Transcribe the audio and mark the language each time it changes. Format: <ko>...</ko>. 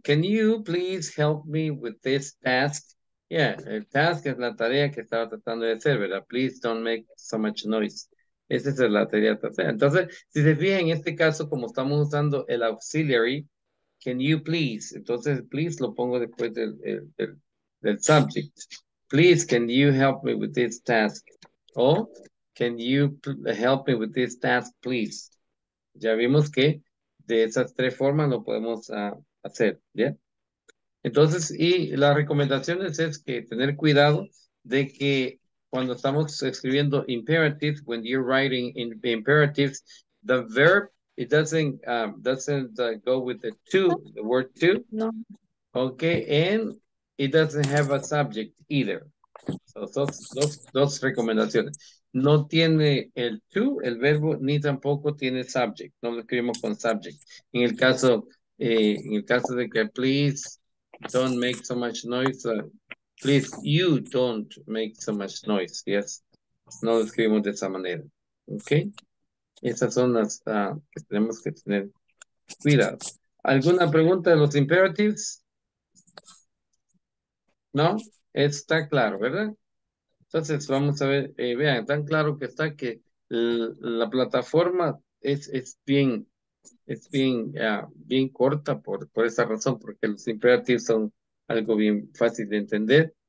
<en>Can you please help me with this task?</en> <es>Yeah, el task es la tarea que estaba tratando de hacer, ¿verdad?</es> <en>Please don't make so much noise.</en> <es>Esa es la tarea que hacer. Entonces, si se fijan, en este caso, como estamos usando el auxiliary,</es> <en>can you please?</en> <es>Entonces, please lo pongo después del subject.</es> <en>Please, can you help me with this task? Oh, can you help me with this task, please?</en> <es>Ya vimos que de esas tres formas lo podemos hacer, ¿ya? Entonces, y las recomendaciones es que tener cuidado de que cuando estamos escribiendo imperatives,</es> <en>when you're writing in imperatives, the verb, it doesn't go with the to, the word to.</en> <es>No.</es> <en>Okay, and it doesn't have a subject either.</en> <es>So, dos recomendaciones. No tiene el to, el verbo, ni tampoco tiene subject. No lo escribimos con subject. En el caso de que</es> <en>please don't make so much noise, please you don't make so much noise.</en> <es>Yes, no lo escribimos de esa manera. Okay. Esas son las que tenemos que tener cuidado. ¿Alguna pregunta de los imperatives? No, está claro, ¿verdad? Entonces, vamos a ver, vean, tan claro que está que la plataforma es bien corta por esa razón, porque los imperativos son algo bien fácil de entender.</es>